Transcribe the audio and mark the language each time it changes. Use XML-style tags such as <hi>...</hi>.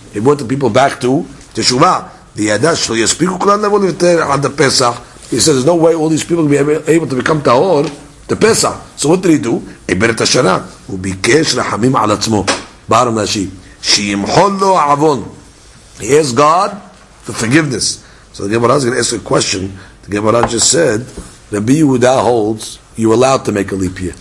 <en>He brought the people back to תשובה.</en> <he>וידע שלא יספיקו כולם לבוא לבטר עד הפסח.</he> <en>He said, there's no way all these people will be able to become טהור the Pesach. So what did he do?</en> <he>עיבר את השנה. הוא ביקש רחמים על עצמו. בער נשי. שימחול לו העוון.</he> <en>He asked God for forgiveness. So the Gemara is going to ask a question. The Gemara just said, Rabbi Yehuda holds, you're allowed to make a leap year.</en>